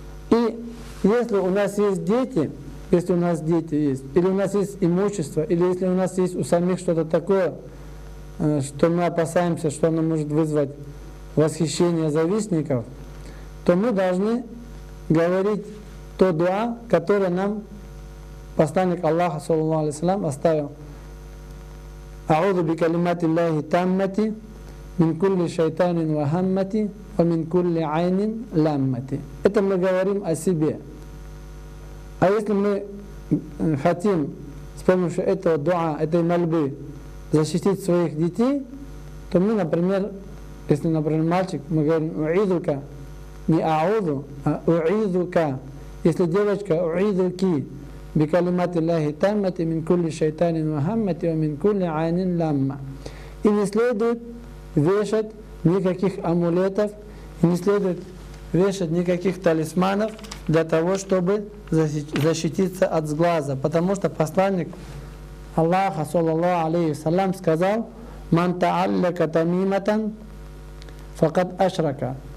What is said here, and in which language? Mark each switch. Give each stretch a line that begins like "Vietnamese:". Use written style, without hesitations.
Russian: И если у нас есть дети, если у нас дети есть, или у нас есть имущество, или если у нас есть у самих что-то такое, что мы опасаемся, что оно может вызвать восхищение завистников, то мы должны говорить то дуа, которое нам посланник Аллаха, саллаллаху алейхи ва саллям, оставил.
Arabic: أعوذ بكلمات الله التامة من كل شيطان وهمة ومن كل عين لامة.
Russian: Это мы говорим о себе. А если мы хотим с помощью этого дуа, этой мольбы защитить своих детей, то мы, например, если, например, мальчик, мы говорим أعوذك, не أعوذ, а أعوذك. Если девочка, أعوذك.
Arabic: بكلمات الله التامة من كل شيطان وهمة ومن كل عين لامة.
Russian: И не следует вешать никаких амулетов, не следует вешать никаких талисманов для того, чтобы защититься от сглаза. Потому что посланник Аллаха, саллаллаху алейхи ва саллям, сказал:
Arabic: «Ман тааллака тамиматан, факад ашрака».